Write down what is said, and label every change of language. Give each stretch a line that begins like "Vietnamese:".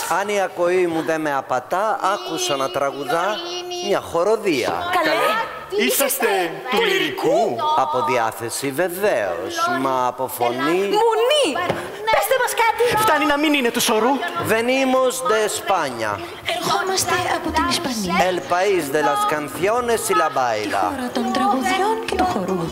Greek: Αν η ακοή μου δεν με απατά, άκουσα να τραγουδά μια χοροδία. Καλέ. Είσαστε του λυρικού. Από διάθεση βεβαίως, μα από φωνή. Μουνί! Πεςτε μας κάτι. Φτάνει να μην είναι του σωρού.
Spanish: Venimos de España.
Greek: Ερχόμαστε από την Ισπανία.
Spanish: El país de las canciones y la baila.
Greek: Τη χώρα των τραγουδιών και του χορού.